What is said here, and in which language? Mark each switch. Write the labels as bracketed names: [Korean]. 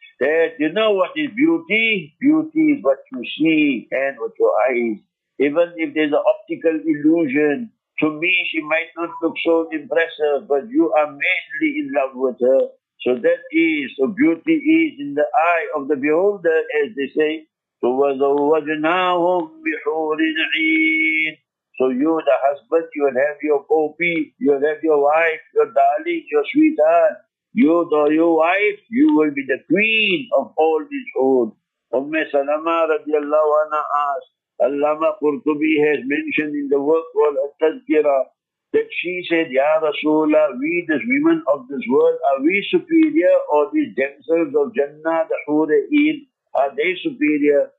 [English] That, you know what is beauty? Beauty is what you see and with your eyes. Even if there's an optical illusion, to me she might not look so impressive, but you are madly in love with her. So that is, so beauty is in the eye of the beholder, as they say. [Arabic] So وَزَوَّجْنَاهُمْ بِحُورٍ عِينٍ. [English] So you, the husband, you will have your popi, you will have your wife, your darling, your sweetheart. You, the your wife, you will be the queen of all this hood. Umme Salama radiallahu anha asked, Allama Qurtubi has mentioned in the work called At-Tazkira, that she said, Ya Rasulullah, we, the women of this world, are we superior or these damsels of Jannah, the Hura'in, are they superior?